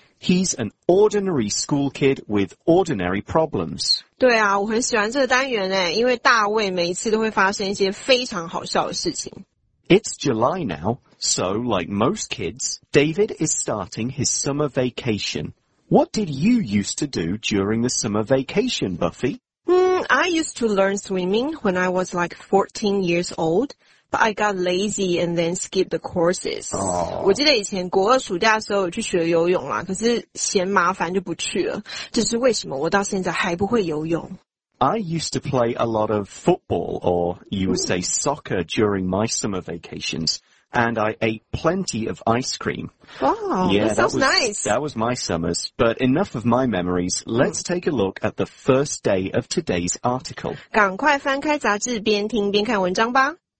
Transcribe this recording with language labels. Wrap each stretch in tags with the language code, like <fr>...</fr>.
<en>He's an ordinary school kid with ordinary problems.</en> <zh>对啊，我很喜欢这个单元耶，因为大卫每一次都会发生一些非常好笑的事情。</zh> <en>It's July now, so like most kids, David is starting his summer vacation. What did you used to do during the summer vacation, Buffy? I used to learn swimming when I was like 14 years old, but I got lazy and then skipped the courses. Oh.</en> <zh>我记得以前国二暑假的时候有去学游泳啦，可是嫌麻烦就不去了。这是为什么我到现在还不会游泳。</zh> <en>I used to play a lot of football, or you would say soccer, during my summer vacations, and I ate plenty of ice cream. Wow, yeah, that sounds nice. That was my summers, but enough of my memories. Let's take a look at the first day of today's article.</en> <zh>赶快翻开杂志，边听边看文章吧。</zh>